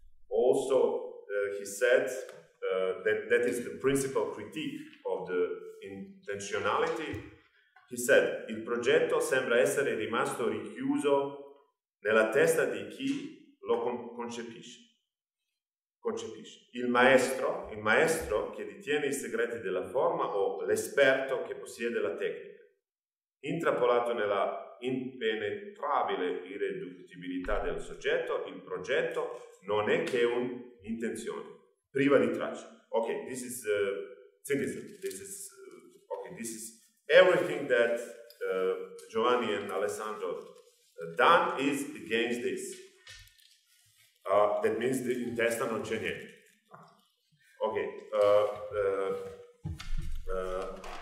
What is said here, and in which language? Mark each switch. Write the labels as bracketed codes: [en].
[en] Also, he said that is the principal critique of the intentionality. He said, [it] il progetto sembra essere rimasto richiuso nella testa di chi lo concepisce. Il maestro che detiene i segreti della forma o l'esperto che possiede la tecnica, intrappolato nella impenetrabile irreduttibilità del soggetto, il progetto non è che un'intenzione, priva di traccia. [en] Okay, this is everything that Giovanni and Alessandro done is against this. That means the intestine [it] non c'è niente. [en] Okay.